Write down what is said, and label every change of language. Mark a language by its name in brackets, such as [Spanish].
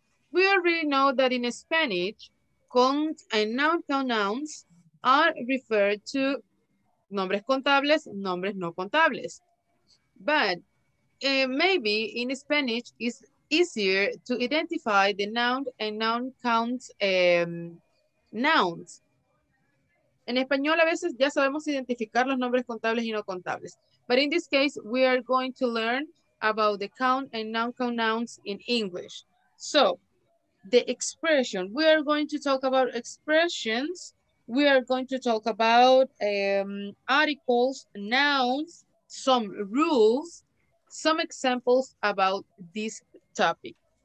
[English] We already know that in Spanish, count and non-count nouns are referred to [Spanish] nombres contables, nombres no contables. [English] But maybe in Spanish it's easier to identify the noun and noun count nouns. [Spanish] En español a veces ya sabemos identificar los nombres contables y no contables. [English] But in this case, we are going to learn about the count and noun count nouns in English. So, the expression, we are going to talk about expressions. We are going to talk about articles, nouns, some rules, some examples about this topic.